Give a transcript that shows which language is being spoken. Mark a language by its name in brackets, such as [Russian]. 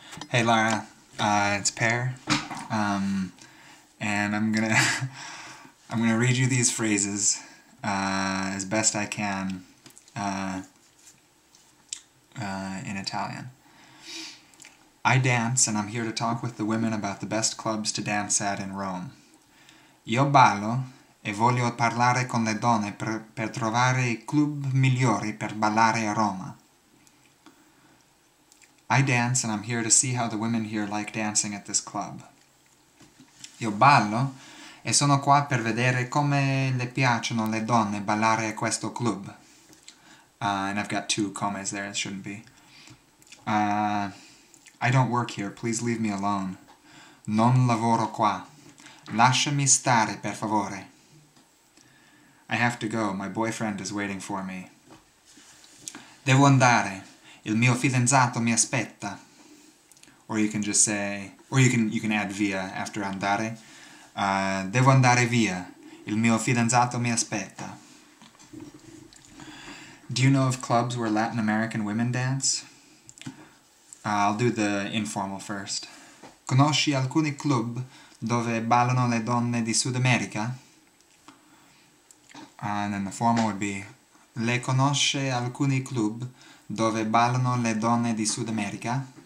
[English] Hey Lara, it's Pear, and I'm gonna read you these phrases as best I can in Italian. I dance, and I'm here to talk with the women about the best clubs to dance at in Rome. [Italian] Io ballo e voglio parlare con le donne per trovare i club migliori per ballare a Roma. [English] I dance, and I'm here to see how the women here like dancing at this club. [Italian] Io ballo, e sono qua per vedere come le piacciono le donne ballare a questo club. [English] And I've got two commas there, it shouldn't be. I don't work here, please leave me alone. [Italian] Non lavoro qua. Lasciami stare, per favore. [English] I have to go, my boyfriend is waiting for me. [Italian] Devo andare. Il mio fidanzato mi aspetta. [English] Or you can just say, or you can add via after andare. [Italian] Devo andare via. Il mio fidanzato mi aspetta. [English] Do you know of clubs where Latin American women dance? I'll do the informal first. [Italian] Conosci alcuni club dove ballano le donne di Sud America? [English] And then the formal would be, [Italian] le conosce alcuni club dove ballano le donne di Sud America?